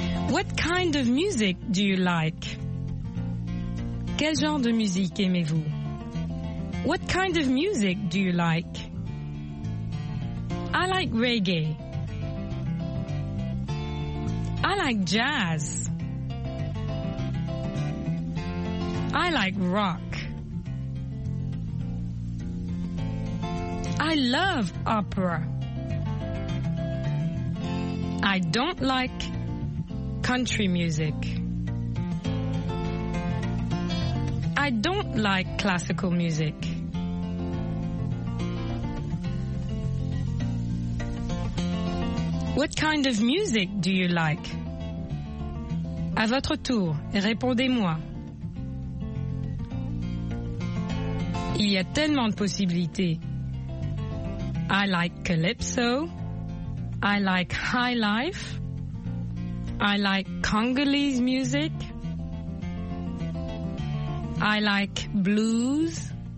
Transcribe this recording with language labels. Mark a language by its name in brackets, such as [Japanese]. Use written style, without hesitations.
[English] What kind of music do you like? [French] Quel genre de musique aimez-vous? [English] What kind of music do you like? I like reggae. I like jazz. I like rock. I love opera. I don't like country music. I don't like classical music. What kind of music do you like? [French] À votre tour, répondez-moi. Il y a tellement de possibilités. [English] I like calypso, I like high life, I like Congolese music, I like blues.